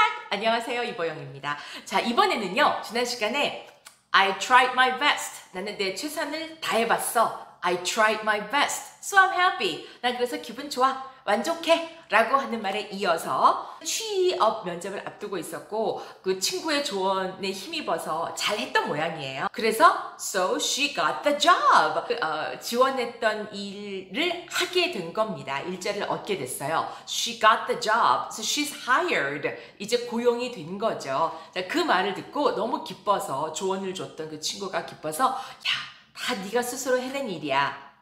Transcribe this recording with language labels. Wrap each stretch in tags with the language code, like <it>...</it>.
<ko>안녕하세요, 이보영입니다. 자, 이번에는요, 지난 시간에</ko> <en>I tried my best.</en> <ko>나는 내 최선을 다해봤어.</ko> <en>I tried my best. So I'm happy.</en> <ko>난 그래서 기분 좋아. 만족해. 라고 하는 말에 이어서 취업 면접을 앞두고 있었고, 그 친구의 조언에 힘입어서 잘했던 모양이에요. 그래서</ko> <en>So she got the job.</en> <ko>지원했던 일을 하게 된 겁니다. 일자리를 얻게 됐어요.</ko> <en>She got the job. So she's hired.</en> <ko>이제 고용이 된 거죠. 자, 그 말을 듣고 너무 기뻐서, 조언을 줬던 그 친구가 기뻐서, 야, 다 네가 스스로 해낸 일이야.</ko>